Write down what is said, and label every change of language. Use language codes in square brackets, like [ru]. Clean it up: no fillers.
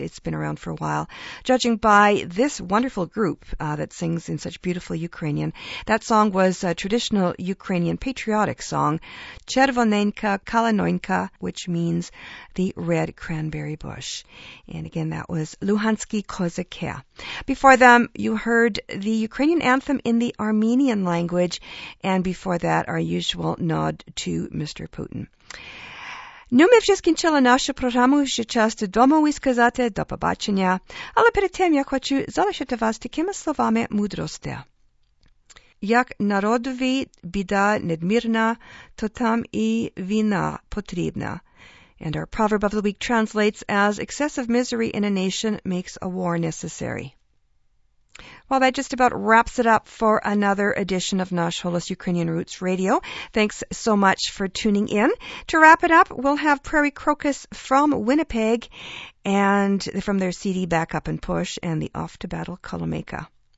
[en] It's been around for a while. Judging by this wonderful group that sings in such beautiful Ukrainian, that song was a traditional Ukrainian patriotic song, Chervonenka Kalinoinka, which means the red cranberry bush. And again, that was Luhansky Kozakiev. Before them, you heard the Ukrainian anthem in the Armenian language, and before that, our usual nod to Mr. Putin. [uk] Ну, ми вже скінчили нашу програму, ще час додому і сказати до побачення. Але перед тим, я хочу залишити вас такими словами мудрості. Як народові біда недмірна, то там і війна потрібна. [en] And our proverb of the week translates as excessive misery in a nation makes a war necessary. Well, that just about wraps it up for another edition of Nash Holos Ukrainian Roots Radio. Thanks so much for tuning in. To wrap it up, we'll have Prairie Crocus from Winnipeg and from their CD Back Up and Push and the Off to Battle Kolomeka.